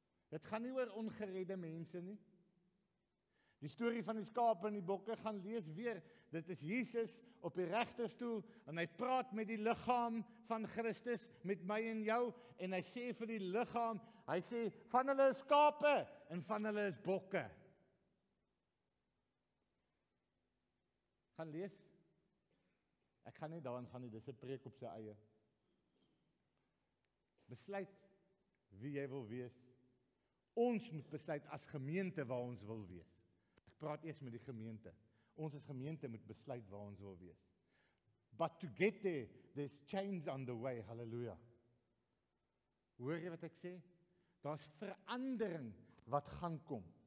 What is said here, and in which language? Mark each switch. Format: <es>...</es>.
<af>Dit gaan nie oor ongeredde mense nie. Die story van die skape en die bokke, gaan lees weer, dit is Jesus op die regterstoel, en hy praat met die liggaam van Christus, met my en jou, en hy sê vir die liggaam, hy sê, van hulle is skape, en van hulle is bokke. Gaan lees, ek gaan nie daarin gaan nie, dis 'n preek op sy eie. Besluit wie jy wil wees. Ons moet besluit as gemeente waar ons wil wees. Ek praat eers met die gemeente. Ons as gemeente moet besluit waar ons wil wees.</af> <en>But to get there, there's change on the way.</en> <af>Halleluja. Hoor jy wat ek sê? Daar is verandering wat gaan kom.</af>